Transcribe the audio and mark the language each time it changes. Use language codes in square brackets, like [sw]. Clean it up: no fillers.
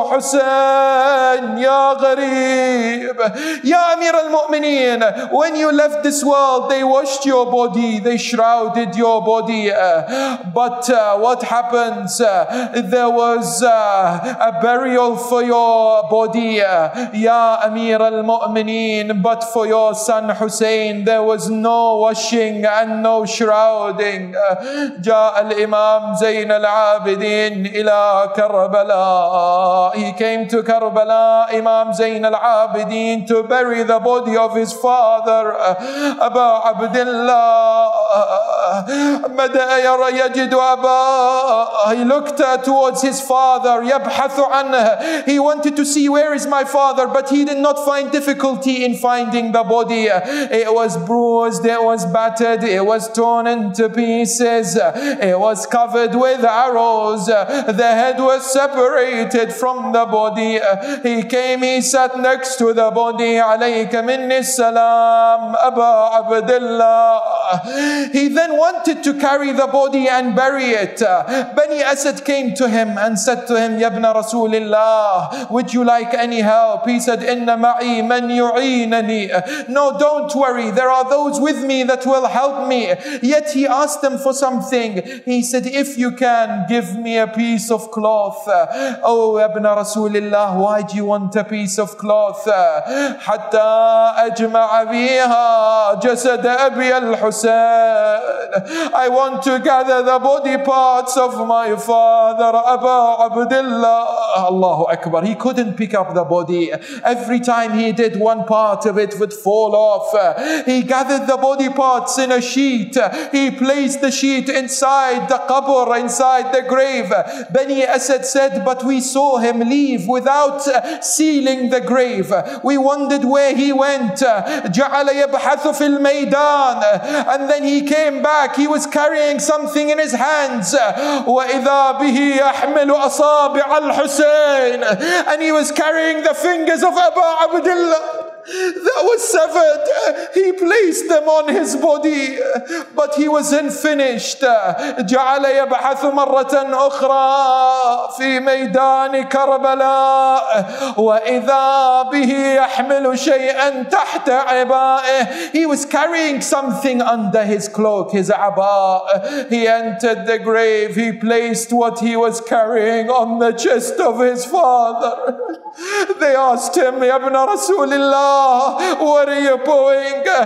[en] Hussein, ya ghareeb, ya Amir al-Mu'mineen, when you left this world, they washed your body, they shrouded your body. But what happens? There was a burial for your body, ya Amir al-Mu'mineen, but for your son Hussein, there was no washing and no shrouding. [ar] جاء الإمام زين العابدين إلى كربلاء. [en] He came to Karbala, Imam Zain al-Abidin, to bury the body of his father, Aba Abdullah. [ar] بدأ يرى يجد أبا. [en] He looked towards his father, [ar] يبحث عنه. [en] He wanted to see, where is my father, but he did not find difficulty in finding the body. It was bruised, it was battered, it was torn into pieces, it was covered with arrows, the head was separated from the body. He came, he sat next to the body. [ar] عليك مني السلام أبا عبد الله. [en] He then wanted to carry the body and bury it. Bani Asad came to him and said to him, [ar] يبنى رسول الله, [en] would you like any help? He said, [ar] إن معي من يعينني. [en] No, don't worry, there are those with me that will help me. Yet he asked them for something. He said, if you can, give me a piece of cloth. Oh, [ar] يبنى رسول الله, [en] why do you want a piece of cloth? [ar] حتى أجمع بيها جسد أبي الحسين. [en] I want to gather the body parts of my father, Aba Abdullah. Allahu Akbar. He couldn't pick up the body. Every time he did, one part of it would fall off. He gathered the body parts in a sheet. He placed the sheet inside the qabr, inside the grave. Bani Asad said, but we saw him leave without sealing the grave. We wondered where he went. [ar] جعل يبحث في الميدان. [en] And then he came back. He was carrying something in his hands. [ar] وإذا به يحمل أصابع الحسين. [en] And he was carrying the fingers of Aba Abdullah that was severed. He placed them on his body, but he wasn't finished. [ar] جعل يبحث مرة أخرى في ميدان كربلاء وإذا به يحمل شيئا تحت عبائه. [en] He was carrying something under his cloak, his عباء. He entered the grave. He placed what he was carrying on the chest of his father. They asked him, [ar] يبنى رسول الله, [en] what are you doing?